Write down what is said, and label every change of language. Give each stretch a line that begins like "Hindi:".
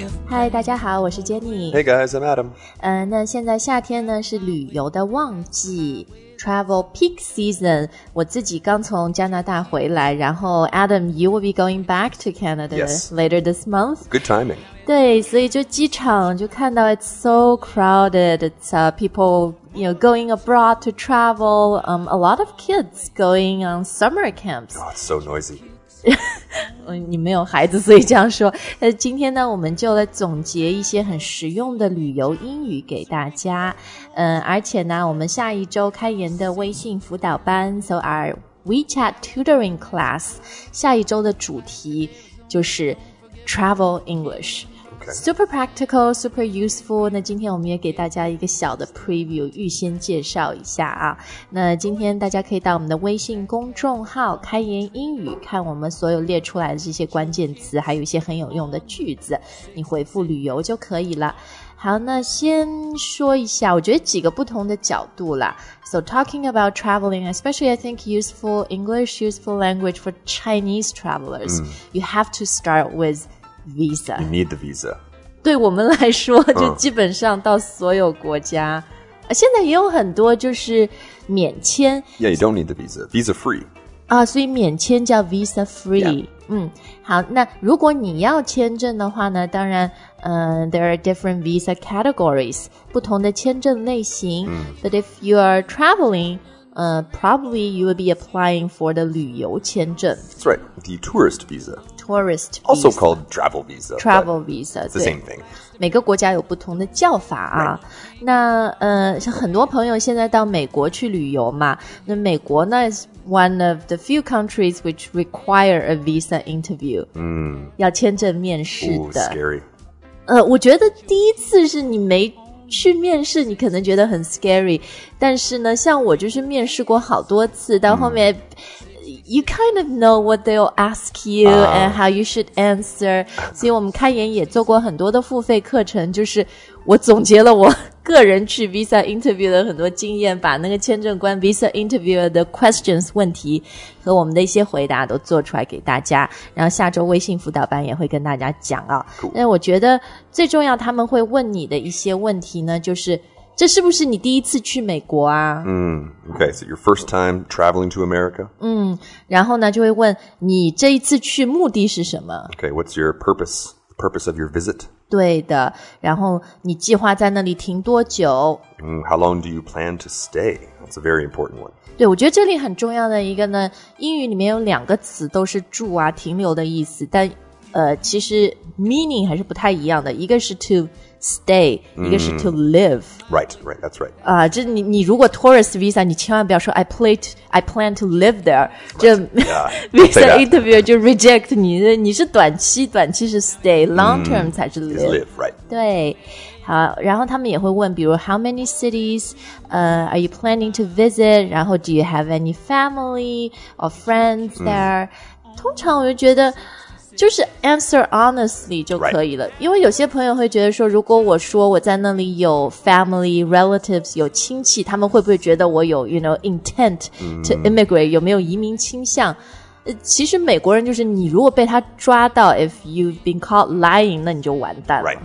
Chinese: 嗨，大家好，我是 Jenny。
English: Hey guys, I'm Adam。
Chinese: 那现在夏天呢是旅游的旺季 ，
English: travel peak season。
Chinese: 我自己刚从加拿大回来，然后 Adam,
English: you will be going back to Canada、 yes. later this month. Good timing.
Chinese: 对，所以就机场就看到
English: it's so crowded. It's people, you know, going abroad to travel. A lot of kids going on summer camps. Oh, it's so noisy.
Chinese: 你没有孩子所以这样说今天呢我们就来总结一些很实用的旅游英语给大家而且呢我们下一周开研的微信辅导班
English: So our WeChat Tutoring Class
Chinese: 下一周的主题就是
English: Travel EnglishSuper practical, super useful.
Chinese: 那今天我们也给大家一个小的 preview, 预先介绍一下啊。那今天大家可以到我们的微信公众号开言英语看我们所有列出来的这些关键词还有一些很有用的句子你回复旅游就可以了。好那先说一下我觉得几个不同的角度啦。
English: So talking about traveling, especially I think useful English, useful language for Chinese travelers,、mm. you have to start withVisa. You need the visa.
Chinese: 对我们来说就基本上到所有国家、现在也有很多就是免签
English: Yeah, you don't need the visa. Visa free.、
Chinese: 所以免签叫 visa free.、
English: Yeah.
Chinese: 好那如果你要签证的话呢当然、
English: there are different visa categories,
Chinese: 不同的签证类型、mm.
English: But if you are traveling,、probably you will be applying for the
Chinese: 旅游签证
English: That's right, the tourist visa. Tourist visa, also called travel visa. Travel visa, the same thing.
Chinese: 每个国家有不同的叫法啊。
English: Right.
Chinese: 那很多朋友现在到美国去旅游嘛。
English: 那美国呢 is one of the few countries which require a visa interview.
Chinese: 要签证面试的。
English: Ooh, scary.
Chinese: 我觉得第一次是你没去面试，你可能觉得很 scary. 但是呢，像我就是面试过好多次，到后面。
English: You kind of know what they'll ask you、and how you should answer.
Chinese: 所以我们开研也做过很多的付费课程，就是我总结了我个人去 visa interview 的很多经验，把那个签证官 visa interviewer 的 questions 问题和我们的一些回答都做出来给大家。然后下周微信辅导班也会跟大家讲啊。那我觉得最重要他们会问你的一些问题呢，就是这是不是你第一次去美国啊？
English: Okay, so your first time traveling to America?
Chinese: 然后呢就会问你这一次去目的是什么
English: Okay, what's your purpose? The purpose of your visit?
Chinese: 对的，然后你计划在那里停多久
English: How long do you plan to stay? That's a very important one.
Chinese: 对，我觉得这里很重要的一个呢，英语里面有两个词都是住啊，停留的意思，但其实 meaning 还是不太一样的，一个是 to stay, 一个是 to live.
English: Right, right, that's right.
Chinese: 这你如果 tourist visa, 你千万不要说
English: I plan to live there. Right,
Chinese: 这、
English: yeah,
Chinese: visa interviewer 就 reject 你，你是短期是 stay, long term 才是 live.
English: Live, right.
Chinese: 对，好，然后他们也会问，比如
English: how many cities, are you planning to visit?
Chinese: 然后
English: do you have any family or friends there?、
Chinese: 通常我就觉得就是
English: answer honestly
Chinese: 就可以了、
English: right.
Chinese: 因为有些朋友会觉得说如果我说我在那里有
English: family, relatives,
Chinese: 有亲戚他们会不会觉得我有
English: you know, intent to immigrate,、
Chinese: mm-hmm. 有没有移民倾向其实美国人就是你如果被他抓到
English: if you've been caught lying,
Chinese: 那你就完蛋了、